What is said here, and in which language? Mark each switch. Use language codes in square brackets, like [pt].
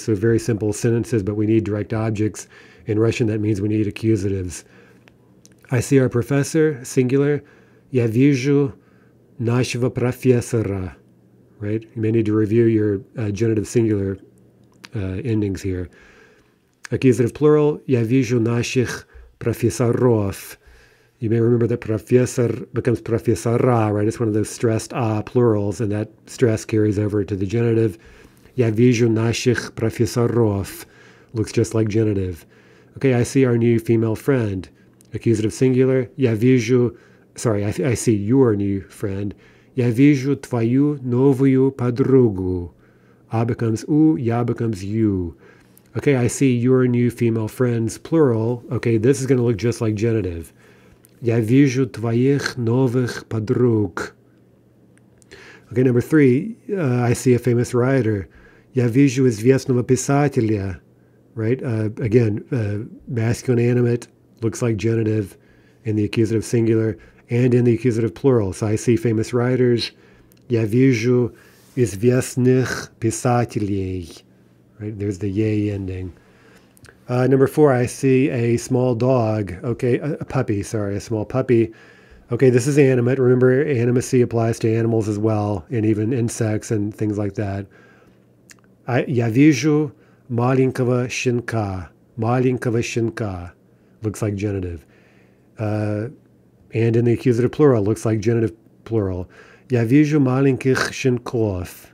[en] So very simple sentences, but we need direct objects. In Russian, that means we need accusatives. «I see our professor», singular. [ru] «Я вижу нашего профессора», right? [en] You may need to review your genitive singular endings here. Accusative plural. [ru] «Я вижу наших профессоров». [en] You may remember that «профессор» becomes «профессора», right? It's one of those stressed «а» plurals, and that stress carries over to the genitive. [ru] «Я вижу наших профессоров» [en] looks just like genitive. Okay, «I see our new female friend», accusative singular. [ru] «Я вижу», [en] sorry, «I see your new friend». [ru] «Я вижу твою новую подругу», «а» [en] becomes [ru] «у», «я» [en] becomes «you». Okay, «I see your new female friends», plural. Okay, this is going to look just like genitive. [ru] «Я вижу твоих новых подруг». [en] Okay, number three, «I see a famous writer». [ru] «Я вижу известного писателя», [en] right? Again, masculine animate looks like genitive in the accusative singular and in the accusative plural. So I see famous writers. [ru] «Я вижу известных писателей», [en] right? There's the «ей» ending. Number four, I see a small dog. Okay, a puppy, sorry, a small puppy. Okay, this is animate. Remember, animacy applies to animals as well, and even insects and things like that. [ru] «Я вижу маленького щенка». «Маленького щенка» [en] looks like genitive. And in the accusative plural, looks like genitive plural. [ru] «Я вижу маленьких щенков».